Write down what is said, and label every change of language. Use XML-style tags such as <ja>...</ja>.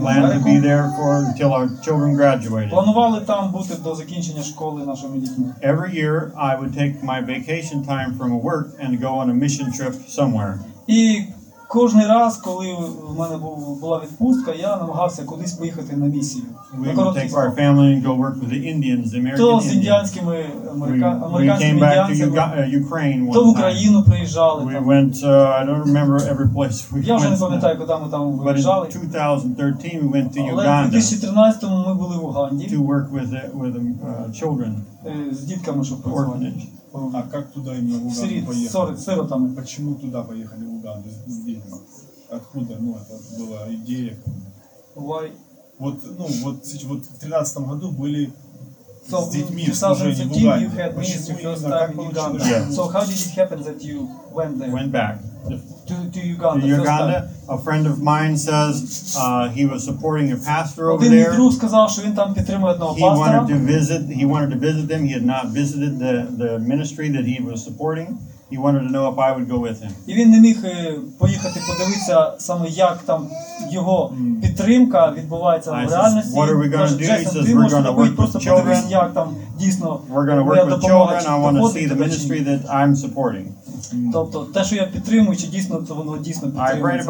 <en>Planned to be there for until our children graduated.</en> <uk>Планували там бути до закінчення школи нашими дітьми.</uk> <en>Every year I would take my vacation time from work and go on a mission trip somewhere.</en> <uk>І кожний раз, коли в мене була відпустка, я намагався кудись поїхати на місію.</uk> <en>We would take our family and go work with the Indians, the American Indians.</en> <uk>То з індіанськими американськими індіанцями. То в Україну приїжджали.</uk> <en>We went, I don't remember every place we went.</en> <uk>Я вже не пам'ятаю, куди ми там виїжджали.</uk> <en>But in 2013 we went to Uganda.</en> <uk>Але в 2013 ми були в Уганді.</uk> <en>To work with children.</en> <uk>З дітками, щоб працювати. А як туди ми в Уганду поїхали? Сиротами. Чому туди поїхали в Уганду з дітьми?</uk> <ru>Откуда?</ru> <uk>Ну, це була ідея.</uk> <en>Why?</en> <ru>Вот, ну, вот, вот в 13 году были</ru> <en>so,</en> <ru>с детьми в Уганде.</ru> <en>You had missions your first time in Uganda. Yes. So how did it happen that you went there? Went back. To Uganda. To Uganda. A friend of mine says he was supporting a pastor over there.</en> <uk>Друг сказав, що він там підтримує одного пастора.</uk> <en>He wanted to visit them. He had not visited the ministry that he was supporting. He wanted to know if I would go with him.</en> <uk>І він не міг поїхати подивитися саме як там його підтримка відбувається в реальності.</uk> <en>What are we going to do? He says we're going to work with children.</en> <uk>Як там дійсно</uk> <en>we're going to work with children. I want to see the ministry that I'm supporting.</en> <uk>Тобто те, що я підтримую, чи дійсно це воно дійсно підтримується.</uk>